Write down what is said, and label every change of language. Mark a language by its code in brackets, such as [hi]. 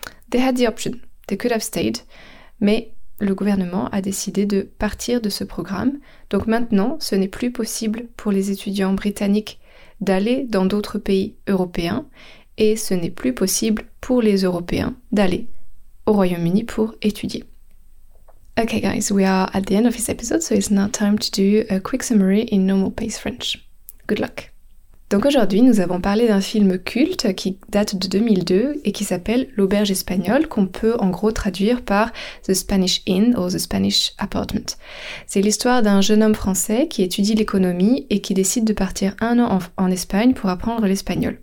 [en] They had the option, they could have stayed, [fr] mais le gouvernement a décidé de partir de ce programme. Donc maintenant, ce n'est plus possible pour les étudiants britanniques d'aller dans d'autres pays européens et ce n'est plus possible pour les Européens d'aller au Royaume-Uni pour étudier. [en] Okay guys, we are at the end of this episode, so it's now time to do a quick summary in normal pace French. Good luck! [fr] Donc aujourd'hui, nous avons parlé d'un film culte qui date de 2002 et qui s'appelle L'Auberge espagnole, qu'on peut en gros traduire par The Spanish Inn ou The Spanish Apartment. C'est l'histoire d'un jeune homme français qui étudie l'économie et qui décide de partir un an en Espagne pour apprendre l'espagnol.